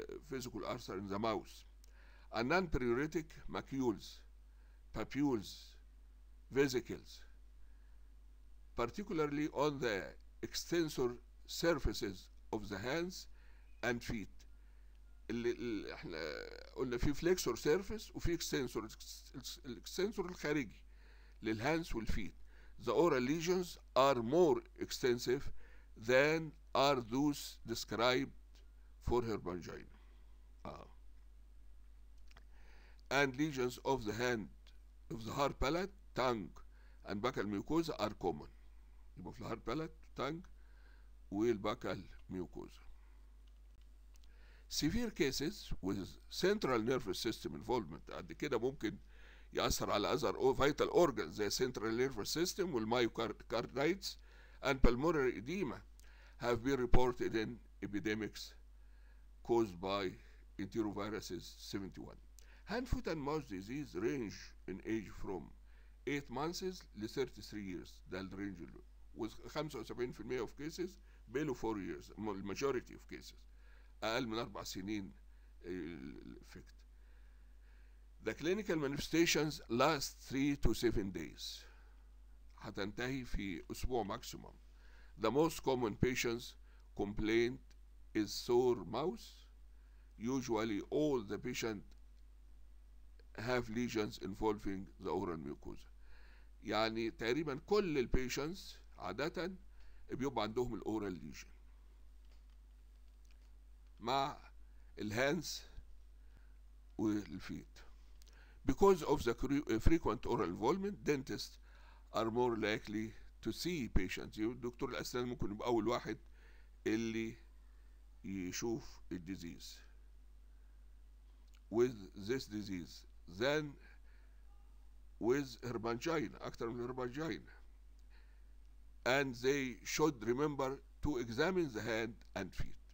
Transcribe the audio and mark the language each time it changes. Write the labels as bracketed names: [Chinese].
[English] physical ulcer in the mouse. A non-pruritic macules, papules, vesicles, particularly on the extensor surfaces of the hands and feet. [Arabic] اللي احنا قلنا في flexor surface وفي extensor, extensor الخارجي للhands والfeet. [English] The oral lesions are more extensive than are those described for herbangina. And lesions of the hand, of the hard palate, tongue, and buccal mucosa are common. [Arabic] يبقى في الهارد بالات تانج والباكال ميوكوزا. [English] Severe cases with central nervous system involvement [Arabic] قد كده ممكن يأثر على [English] other vital organs زي central nervous system والمايوكاردايتس and pulmonary edema have been reported in epidemics caused by enteroviruses 71. Hand, foot and mouth disease range in age from 8 months ل 33 years. [Arabic] ده الرينج اللي [English] with 75% of cases below 4 years, majority of cases [Arabic] أقل من 4 سنين الإفكت. [English] The clinical manifestations last 3 to 7 days [Arabic] هتنتهي في أسبوع [English] maximum. The most common patients complaint is sore mouth. Usually all the patients have lesions involving the oral mucosa. [Arabic] يعني تقريبا كل الpatients عادة بيبقى عندهم الأورال ليجن مع الهانس والفيت. [English] Because of the frequent oral involvement, dentists are more likely to see patients. [Arabic] دكتور الأسنان ممكن يبقى أول واحد اللي يشوف الديزيز [English] with this disease than with herbangina, [Arabic] أكثر من herbangina. [English] And they should remember to examine the hand and feet.